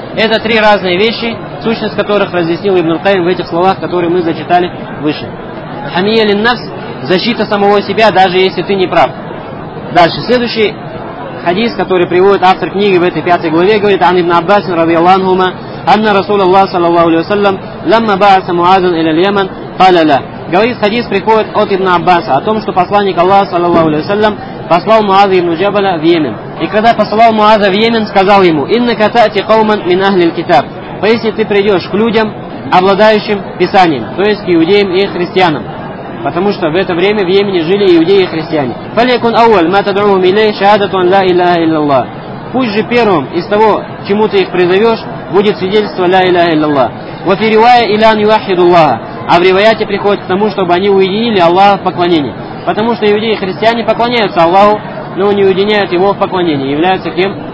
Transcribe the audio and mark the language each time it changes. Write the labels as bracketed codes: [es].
[ru] Это три разные вещи, сущность которых разъяснил Ибн Аль-Каим в этих словах, которые мы зачитали выше. Хамия лин-нафс – защита самого себя, даже если ты не прав. Дальше, следующий хадис, который приводит автор книги в этой пятой главе, говорит [ar] «Ан ибн Аббасин, рави Аллахума». أن رسول الله صلى الله عليه وسلم لما بعث معاذ إلى اليمن قال لا. [ru] Говорит хадис приходит от Ибн Аббаса о том, что посланник Аллаха صلى الله عليه وسلم послал Муаза ибн Джабаля в Йемен. И когда послал Муаза в Йемен, сказал ему: [ar] إنك تأتي قوما من أهل الكتاب. [ru] Поистине ты придешь к людям, обладающим Писанием, то есть к иудеям и христианам. Потому что в это время в Йемене жили иудеи и христиане. [ar] فليكن أول ما تدعوهم إليه شهادة أن لا إله إلا الله. [ru] Пусть же первым из того, чему ты их призовешь, будет свидетельство «Ля Иляха Илляллах». [ar] «Вафирюая Илян Юахидуллаха». [ru] А в ривайате приходит к тому, чтобы они уединили Аллаха в поклонении. Потому что иудеи и христиане поклоняются Аллаху, но не уединяют Его в поклонении, являются кем?